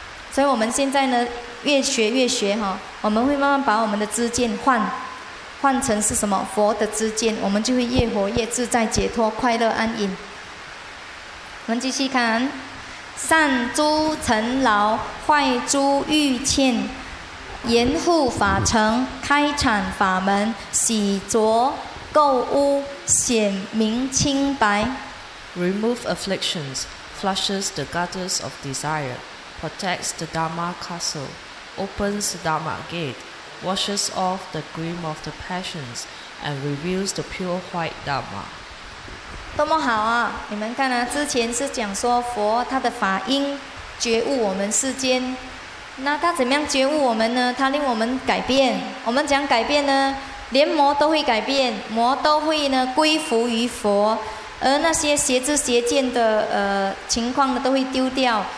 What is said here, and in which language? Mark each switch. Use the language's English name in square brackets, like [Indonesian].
[Chinese] 所以我们现在呢，越学越学哈，我们会慢慢把我们的知见换成是什么佛的知见，我们就会越活越自在解脱，快乐安隐。我们继续看，善诸尘劳，坏诸欲欠，严护法成，开阐法门，洗濯垢污，显明清白。 [English] Remove afflictions, flushes the gutters of desire, protects the Dharma castle, opens the Dharma gate, washes off the grime of the passions, and reveals the pure white Dharma. [Chinese] 多么好啊！你们看啊，之前是讲说佛他的法音觉悟我们世间。那他怎么样觉悟我们呢？他令我们改变。我们讲改变呢，连魔都会改变，魔都会呢归服于佛，而那些邪知邪见的情况呢都会丢掉。